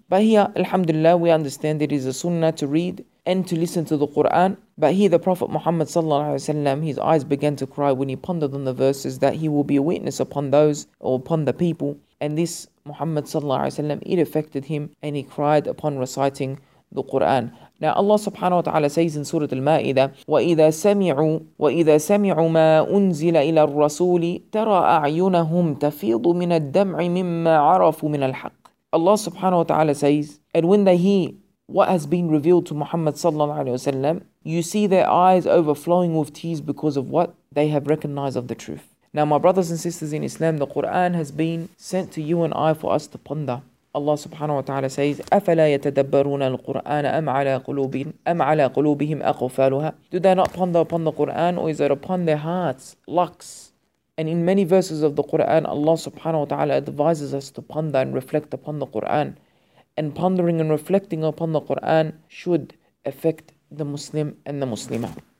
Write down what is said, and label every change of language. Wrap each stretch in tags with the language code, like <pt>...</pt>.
<en>But here, alhamdulillah, we understand it is a sunnah to read and to listen to the Quran. But here the Prophet Muhammad sallallahu alaihi wasallam, his eyes began to cry when he pondered on the verses that he will be a witness upon those or upon the people. And this Muhammad sallallahu alaihi wasallam, it affected him and he cried upon reciting the Quran. Now Allah subhanahu wa ta'ala says in Surah Al-Ma'idah,</en> <ar>وَإِذَا سَمِعُوا مَا أُنزِلَ إِلَى الرَّسُولِ تَرَى أَعْيُنَهُمْ تَفِيضُ مِنَ الدَّمْعِ مِمَّا عَرَفُوا مِنَ الْحَقِّ.</ar> <en>Allah subhanahu wa ta'ala says, and when they hear what has been revealed to Muhammad sallallahu alaihi wasallam, you see their eyes overflowing with tears because of what they have recognized of the truth. Now my brothers and sisters in Islam, the Quran has been sent to you and I for us to ponder. Allah subhanahu wa ta'ala says,</en> <ar>أَفَلَا يَتَدَبَّرُونَ الْقُرْآنَ أَمْ عَلَىٰ قُلُوبِهِمْ أَقْفَالُهَا.</ar> <en>Do they not ponder upon the Quran, or is it upon their hearts, locks? And in many verses of the Quran, Allah subhanahu wa ta'ala advises us to ponder and reflect upon the Quran. And pondering and reflecting upon the Quran should affect the Muslim and the Muslimah.</en>